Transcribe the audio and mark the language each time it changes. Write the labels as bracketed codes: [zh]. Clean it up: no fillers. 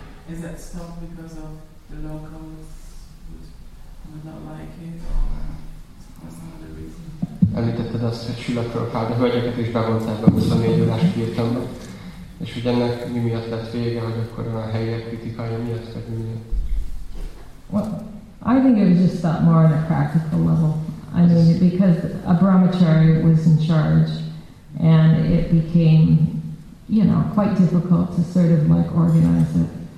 [en] Is that stopped because of the locals would not like it, or some other reason? [hu] Említetted azt, hogy Srila Prabhupada hölgyeket is bevonták be 24 órás kirtanba, és hogy ennek mi miatt lett vége, hogy akkor a helyiek kritikája miatt, vagy mi miatt? [en] Well, I think it was just that more on a practical level. I mean, because a brahmachari was in charge, and it became, you know, quite difficult to sort of like organize it.